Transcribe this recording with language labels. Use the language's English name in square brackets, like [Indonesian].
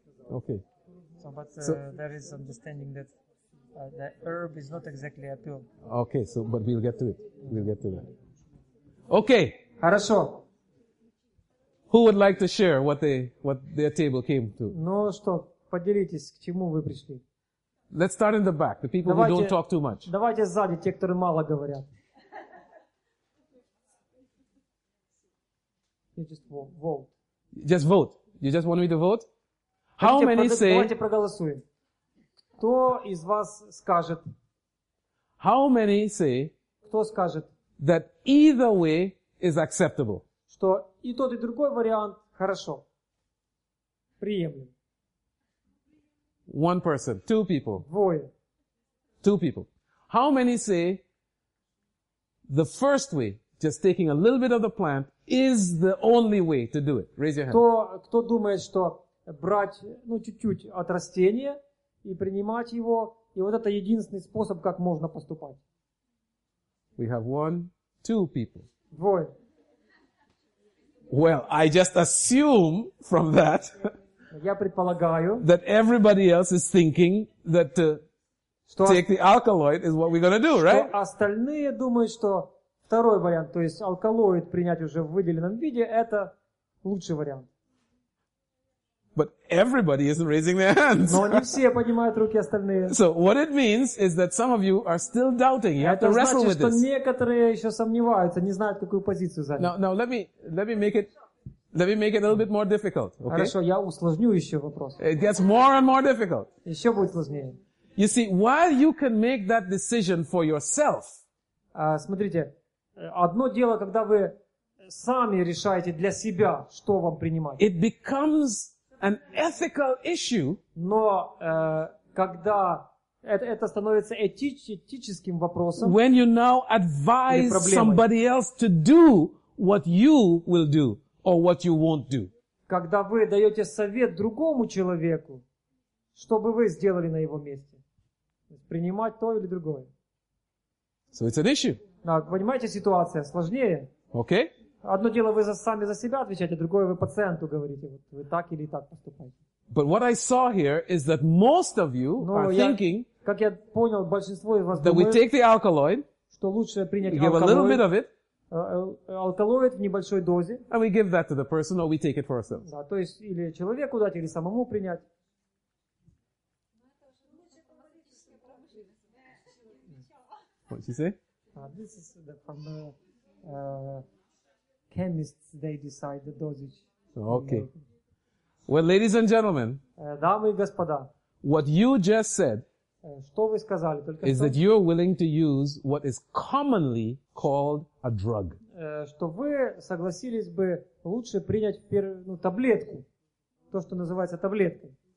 [English] Okay. So, but there is understanding that the herb is not exactly a pill. Okay, so, but we'll get to it. We'll get to that. Okay. [Russian] Хорошо. [English] Who would like to share what their table came to? [Russian] Ну что, поделитесь, к чему вы пришли? [English] Let's start in the back, the people who don't talk too much. [Russian] Давайте сзади, те, которые мало говорят. [English] You just vote. Just vote? You just want me to vote? How many say... [Russian] Давайте проголосуем. Кто из вас скажет... [English] How many say... [Russian] Кто скажет... [English] That either way is acceptable. [Russian] Что и тот, и другой вариант хорошо. Приемлем. [English] One person, two people. [Russian] Двое. [English] Two people. How many say the first way, just taking a little bit of the plant, is the only way to do it? Raise your hand. [Russian] Кто думает, что брать чуть-чуть от растения и принимать его, и вот это единственный способ, как можно поступать? [English] We have one, two people. [Russian] Двое. [English] Well, I just assume from that. [Russian] Я предполагаю, [English] that everybody else is thinking that to take the alkaloid is what we're going to do, right? [Russian] Остальные думают, что второй вариант, то есть алкалоид принять уже в выделенном виде, это лучший вариант. [English] But everybody isn't raising their hands. [Russian] Но не все поднимают руки, остальные. [English] So what it means is that some of you are still doubting. You [Russian] это [English] have to wrestle [Russian] значит, [English] with this. [Russian] Это значит, что некоторые еще сомневаются, не знают, какую позицию занять. [English] Now let me make it a little bit more difficult. Okay? [Russian] Хорошо, я усложню еще вопрос. [English] It gets more and more difficult. [Russian] Еще будет сложнее. [English] You see, while you can make that decision for yourself. [Russian] Смотрите, одно дело, когда вы сами решаете для себя, что вам принимать. [English] It becomes an ethical issue. [Russian] Но когда это становится этическим вопросом. [English] When you now advise somebody else to do what you will do or what you won't do. [Russian] Когда вы даете совет другому человеку, что бы вы сделали на его месте? Принимать то или другое. [English] So it's an issue. [Russian] Да, понимаете, ситуация сложнее. [English] Okay. [Russian] Одно дело вы сами за себя отвечаете, другое вы пациенту говорите, вот вы так или так поступаете. [English] But what I saw here is that most of you are thinking. [Russian] Как я понял, большинство из вас думают. [English] That we take the alkaloid. [Russian] Что лучше принять алкалоид. [English] Give a little bit of it. [Russian] Алкалоид в небольшой дозе. [English] And we give that to the person, or we take it for ourselves. [Russian] Да, то есть или человеку дать, или самому принять. [English] What did you say? This is from the chemists, they decide the dosage. Okay. Well, ladies and gentlemen, [Russian] дамы и господа, [English] what you just said [Russian] что вы сказали, только [English] is что, that you're willing to use what is commonly called a drug. [Russian] Что вы согласились бы лучше принять таблетку, то, что называется таблеткой.